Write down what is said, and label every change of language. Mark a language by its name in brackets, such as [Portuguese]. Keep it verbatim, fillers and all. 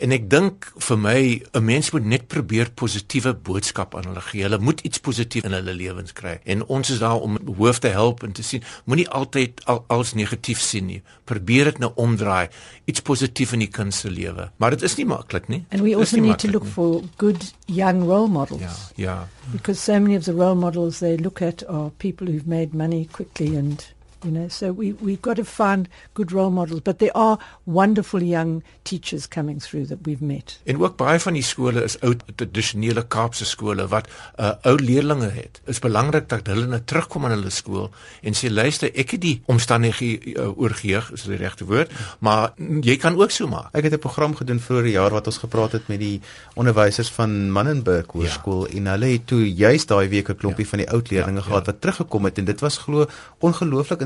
[Afrikaans] En ek dink vir my, 'n mens moet net probeer positiewe boodskap aan hulle gee. Hulle moet iets positief in hulle lewens kry. En ons is daar om hoof te help en te sien, moenie altyd al, als negatief sien nie. Probeer dit nou omdraai, iets positief in die kind se lewe. Maar dit is nie maklik nie. [English] And we also need to look nie. for good young role models. [Afrikaans] Ja, ja. [English] Because so many of the role models they look at are people who've made money quickly, and you know, so we we've got to find good role models, but there are wonderful young teachers coming through that we've met. [Afrikaans] En ook baie van die skole is oud tradisionele Kaapse skole wat uh, ou leerlinge het. Is belangrik dat hulle nou terugkom aan hulle skool en sê, luister, ek het die omstandighede uh, oorgeheeg, is die regte woord, maar jy kan ook so maak. Ek het 'n program gedoen vroeër jaar wat ons gepraat het met die onderwysers van Mannenberg Hoërskool, ja. En hulle het toe juist daai week 'n klompie ja. van die oud leerlinge ja, gehad ja. wat teruggekom het, en dit was glo ongelooflik